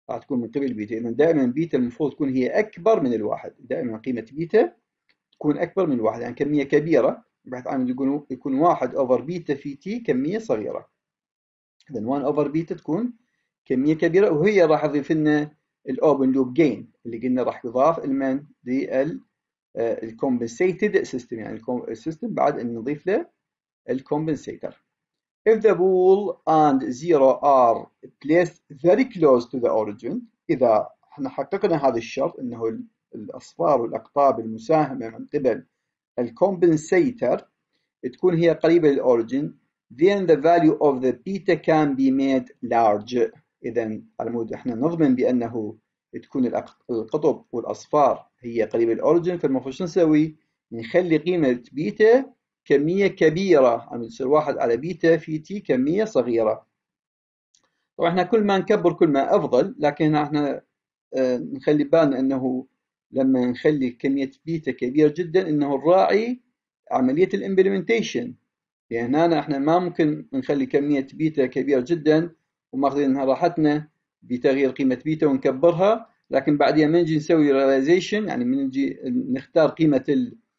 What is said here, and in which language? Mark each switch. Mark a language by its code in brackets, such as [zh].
[ar] من قبل البيتا. اذا دائما بيتا المفروض تكون هي اكبر من الواحد، دائما قيمه بيتا تكون اكبر من واحد، يعني كميه كبيره بحيث عامل يكون واحد اوفر بيتا في تي كميه صغيره. اذا 1 اوفر بيتا تكون كميه كبيره، وهي راح تضيف لنا الاوبن لوب جين اللي قلنا راح يضاف لمن ال الكومبنسيتد سيستم، يعني السيستم بعد ان نضيف له الكومبنسيتر. [en] If the bool and zero are placed very close to the origin، [ar] اذا احنا حققنا هذا الشرط انه الأصفار والأقطاب المساهمة من قبل الكومبنسيتر تكون هي قريبة للأوريجين، [en] then the value of the beta can be made large. [ar] إذا على مود إحنا نضمن بأنه تكون القطب والأصفار هي قريبة للأوريجين، فالمفروض شو نسوي؟ نخلي قيمة بيتا كمية كبيرة، عم يصير واحد على بيتا في تي كمية صغيرة. طبعا إحنا كل ما نكبر كل ما أفضل، لكن إحنا نخلي بالنا أنه لما نخلي كمية بيتا كبيرة جدا انه الراعي عملية الامبلمنتيشن، يعني هنا احنا ما ممكن نخلي كمية بيتا كبيرة جدا وماخذينها راحتنا بتغيير قيمة بيتا ونكبرها، لكن بعدين من نجي نسوي رياليزيشن يعني من نجي نختار قيمة